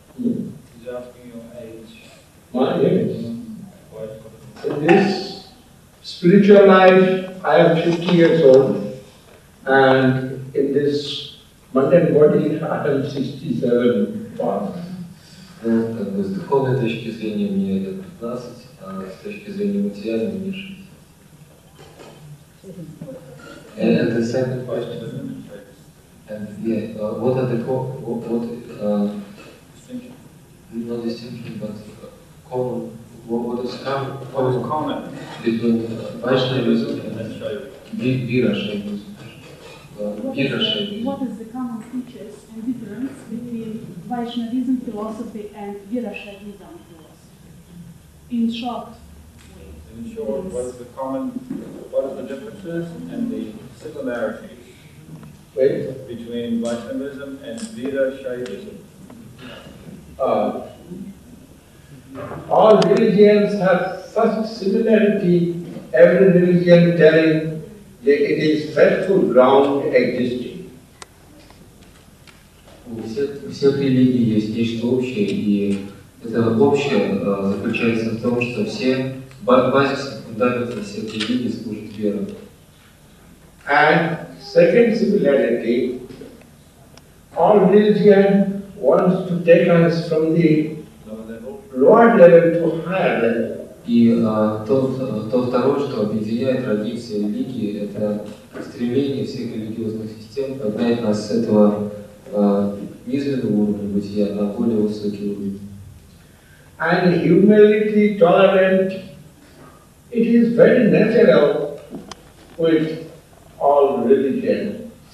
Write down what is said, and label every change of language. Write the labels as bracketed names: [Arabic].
[English] He's asking your age. My age? In this spiritual life, I am 50 years old, and in this mundane body, I am 67. [Russian] Как бы с духовной точки зрения мне лет 15, а с точки зрения материальной мне 60. [English] And the second question. What are the not distinction, but common, what is common between Vaishnavism and Virashaivism? What is the common features and difference between Vaishnavism philosophy and Virashaivism philosophy? In short, what are the differences and the similarities between Vaishnavism and Virashaivism? All religions have such similarity, every religion telling it is faithful ground existing. [Russian] Все религии есть нечто общее, и это общее заключается в том, что все базис фундамента всех религий служит вера. [English] And second similarity, all religion wants to take us from the lower level to higher level. [Russian] И то второе, что объединяет традиции религии, это стремление всех религиозных систем поднять нас с этого низменного уровня бытия на более высокий уровень. [English] And humility, tolerant, it is very natural with all religion.